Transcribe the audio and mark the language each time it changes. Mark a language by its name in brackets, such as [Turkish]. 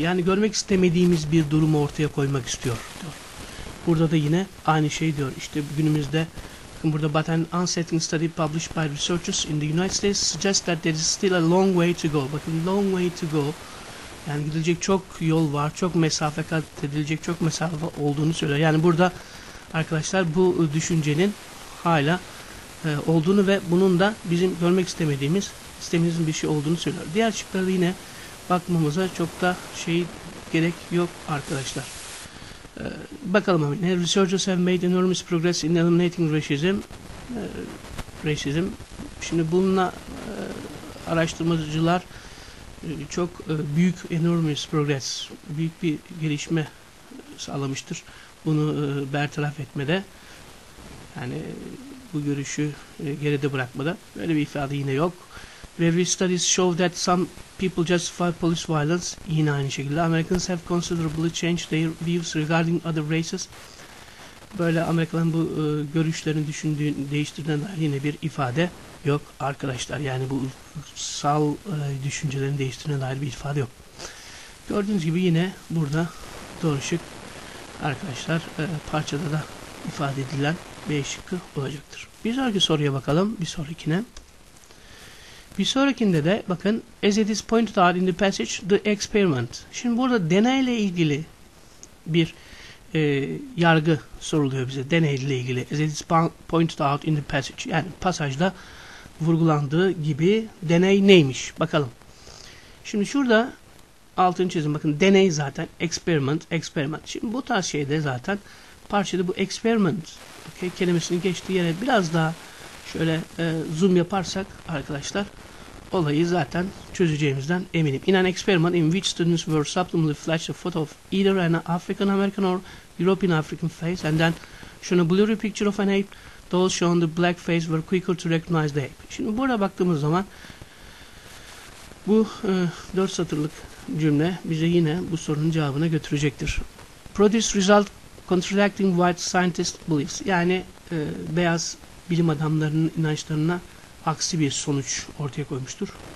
[Turkish] Yani görmek istemediğimiz bir durumu ortaya koymak istiyor diyor. Burada da yine aynı şey diyor. İşte günümüzde bakın burada [English] but an unsettling study published by researchers in the United States suggests that there is still a long way to go. [Turkish] Bakın [English] long way to go. [Turkish] Yani gidilecek çok yol var. Çok mesafe kat edilecek çok mesafe olduğunu söylüyor. Yani burada arkadaşlar bu düşüncenin hala olduğunu ve bunun da bizim görmek istemediğimizin bir şey olduğunu söylüyor. Diğer şıklarda yine bakmamıza çok da şey gerek yok arkadaşlar. Bakalım hani [English] researchers have made enormous progress in eliminating racism. Racism. [Turkish] Şimdi bununla araştırmacılar çok büyük [English] enormous progress, [Turkish] büyük bir gelişme sağlamıştır bunu bertaraf etmede. Yani bu görüşü geride bırakmada böyle bir ifade yine yok. [English] Various studies show that some people justify police violence. [Turkish] Yine aynı şekilde. [English] Americans have considerably changed their views regarding other races. [Turkish] böyle Amerika'nın bu görüşlerini değiştirdiğine dair yine bir ifade yok arkadaşlar. Yani bu ırksal düşüncelerini değiştirdiğine dair bir ifade yok. Gördüğünüz gibi yine burada doğru şık arkadaşlar, parçada da ifade edilen B şıkkı olacaktır. Bir sonraki soruya bakalım. Bir sonrakine. Bir sonrakinde de bakın, [English] as it is pointed out in the passage, the experiment. [Turkish] Şimdi burada deneyle ilgili bir yargı soruluyor bize. Deneyle ilgili. [English] As it is pointed out in the passage. [Turkish] Yani pasajda vurgulandığı gibi deney neymiş? Bakalım. Şimdi şurada altını çizin. Bakın deney zaten. Experiment, experiment. Şimdi bu tarz şeyde zaten parçada bu experiment kelimesinin geçtiği yere biraz daha şöyle zoom yaparsak arkadaşlar, olayı zaten çözeceğimizden eminim. [English] In an experiment in which students were subtly flashed a photo of either an African American or European African face and then shown a blurry picture of an ape, those shown the black face were quicker to recognize the ape. [Turkish] Şimdi burada baktığımız zaman bu 4 satırlık cümle bize yine bu sorunun cevabına götürecektir. [English] Produce result contradicting white scientist beliefs. [Turkish] Yani beyaz bilim adamlarının inançlarına aksi bir sonuç ortaya koymuştur.